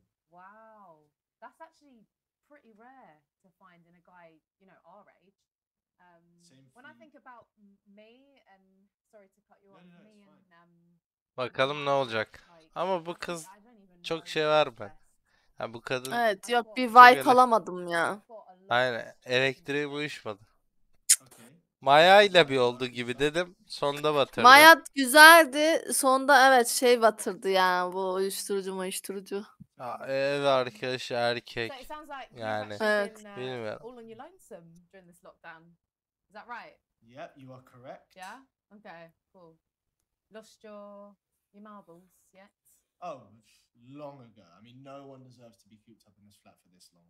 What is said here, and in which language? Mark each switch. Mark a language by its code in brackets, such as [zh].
[en] Wow, that's actually pretty rare to find in a guy, you know, our age. Same for you. I think about me and sorry to cut you off, no, me fine. And [tr] bakalım ne olacak. Like, ama bu kız çok şey var ben. Ha bu kadın. Evet, yok bir vibe alamadım ya. Aynen, elektriği uyuşmadı. Maya ile bir oldu gibi dedim. Sonda batırdı. Maya güzeldi. Sonda evet şey batırdı yani bu uyuşturucu. Ya ev arkadaş erkek. Yani evet. Bilmiyorum. [en] All on your lonesome during this lockdown. Is that right? Yep, you are correct. Yeah? Okay, cool. Lost your marbles yet? Oh, long ago. I mean, no one deserves to be cooped up in this flat for this long.